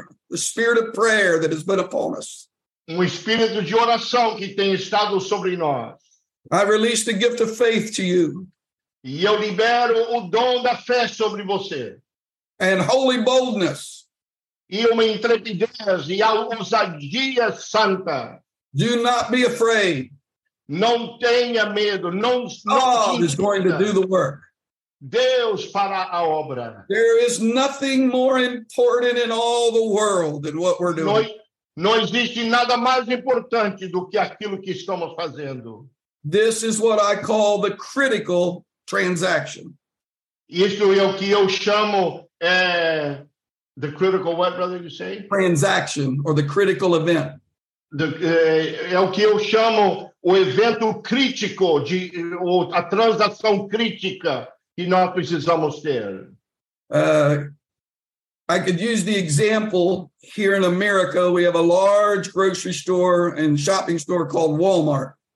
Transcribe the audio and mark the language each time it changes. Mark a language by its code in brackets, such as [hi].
[en] The spirit of prayer that has been upon us. [pt] Espírito de oração que tem estado sobre nós. [en] I release the gift of faith to you. [pt] E eu libero o dom da fé sobre você. [en] And holy boldness. [pt] E uma intrepidez e a ousadia santa. [en] Do not be afraid. [pt] Não tenha medo. Não, [en] God is going to do the work. [pt] Deus para a obra. [en] There is nothing more important in all the world than what we're doing. [pt] Não existe nada mais importante do que aquilo que estamos fazendo. [en] This is what I call the critical transaction. [pt] Isso é o que eu chamo [en] the critical what, brother, you say? Transaction, or the critical event. [pt] É o que eu chamo o evento crítico, a transação crítica que nós precisamos ter. [en] I could use the example here in America. We have a large grocery store and shopping store called Walmart.